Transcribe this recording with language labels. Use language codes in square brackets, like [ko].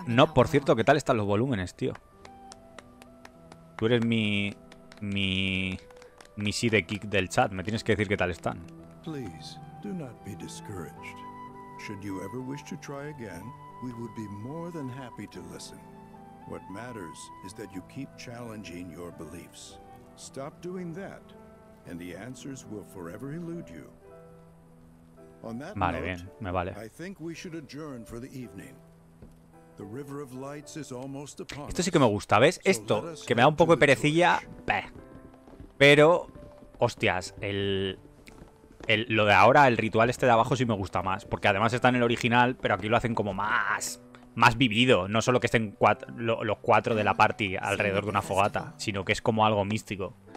[es] No, por cierto, ¿qué tal están los volúmenes, tío? Tú eres mi sidekick del chat, me tienes que decir qué tal están. [en] Please, do not be discouraged. Should you ever wish to try again, we would be more than happy to listen. What matters is that you keep challenging your beliefs. Stop doing that. And the answers will forever elude you. On that vale, note, bien, me vale. I think we should adjourn for the evening. The river of lights is almost upon us. [es] Esto sí que me gusta, ¿ves? Esto, que me da un poco de perecilla, pero, hostias, lo de ahora, el ritual este de abajo sí me gusta más. Porque además está en el original, pero aquí lo hacen como más vivido. No solo que estén los cuatro de la party alrededor de una fogata, sino que es como algo místico.